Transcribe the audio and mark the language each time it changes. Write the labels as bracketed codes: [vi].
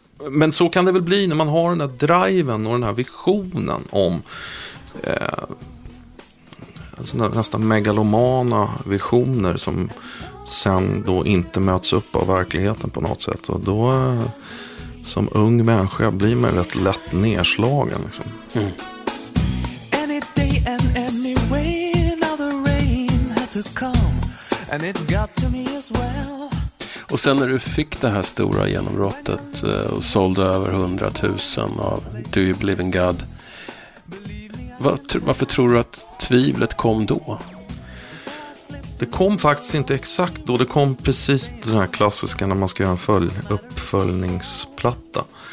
[sv] Men så kan det väl bli när man har den här driven och den här visionen om nästan megalomana visioner som sen då inte möts upp av verkligheten på något sätt. Och då som ung människa blir man rätt lätt nedslagen. Liksom. Mm. [en] Any day and any way, now the rain had to come and it got to me as well. [sv] Och sen när du fick det här stora genombrottet och sålde över 100 000 av Do You Believe in God, varför tror du att tvivlet kom då? Det kom faktiskt inte exakt då. Det kom precis den här klassiska när man ska göra en uppföljningsplatta.